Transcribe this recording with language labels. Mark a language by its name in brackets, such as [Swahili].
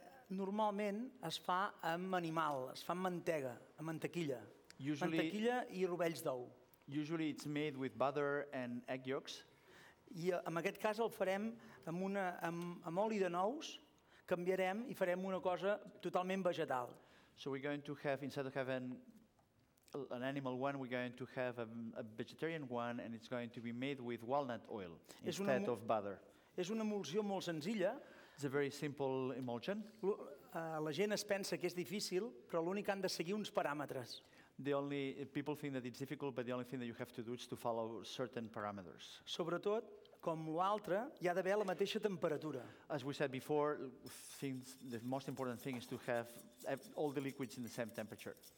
[Catalan] Normalment es fa amb animal. Es fa amb mantega, amb mantequilla. [English] Usually... [Catalan] Mantequilla I rovells d'ou. [English] Usually it's made with butter and egg yolks. [Catalan] I en aquest cas el farem amb una amb oli de nous, canviarem I farem una cosa totalment vegetal. [English] So we're going to have, instead of having an animal one, we're going to have a vegetarian one, and it's going to be made with walnut oil instead of butter. [Catalan] És una emulsió molt senzilla. [English] It's a very simple emulsion. [Catalan] La gent es pensa que és difícil, però l'únic han de seguir uns paràmetres. [English] The only people think that it's difficult, but the only thing that you have to do is to follow certain parameters. [Catalan] Sobretot, com l'altre, hi ha d'haver la mateixa temperatura. [English] As we said before, things, the most important thing is to have all the liquids in the same temperature.